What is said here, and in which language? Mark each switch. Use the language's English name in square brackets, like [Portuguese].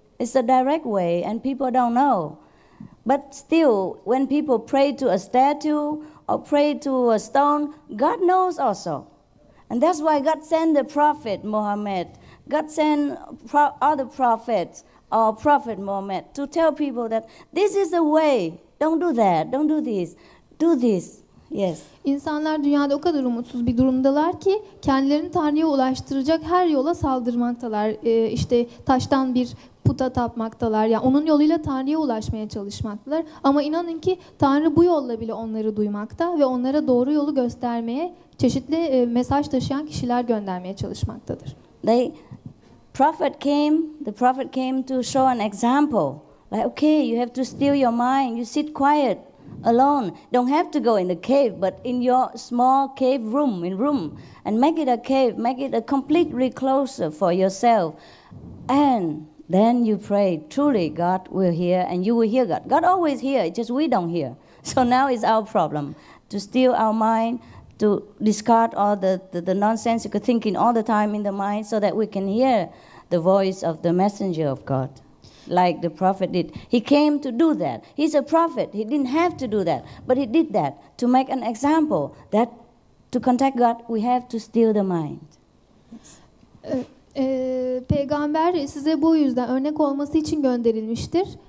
[English] It's a direct way, and people don't know. But still, when people pray to a statue or pray to a stone, God knows also. And that's why God sent the prophet Muhammad. God sent other prophets or prophet Muhammad to tell people that this is the way. Don't do that. Don't do this. Do this. Yes. [Turkish] İnsanlar dünyada o kadar umutsuz bir durumdalar ki kendilerini Tanrı'ya ulaştıracak her yola saldırmaktalar. İşte taştan bir puta tapmaktalar. Yani onun yoluyla Tanrı'ya ulaşmaya çalışmaktalar. Ama inanın ki Tanrı bu yolla bile onları duymakta ve onlara doğru yolu göstermeye, çeşitli mesaj taşıyan kişiler göndermeye çalışmaktadır. [English] The prophet came to show an example. Like, okay, you have to steal your mind. You sit quiet. Alone, don't have to go in the cave, but in your small cave room, and make it a cave, make it a complete recloser for yourself, and then you pray. Truly, God will hear, and you will hear God. God always hears; it's just we don't hear. So now it's our problem to steal our mind, to discard all the nonsensical thinking all the time in the mind, so that we can hear the voice of the messenger of God. Like the prophet did. He came to do that. He's a prophet. He didn't have to do that. But he did that to make an example that to contact God we have to steal the mind. [Turkish] Peygamber size bu yüzden örnek olması için gönderilmiştir.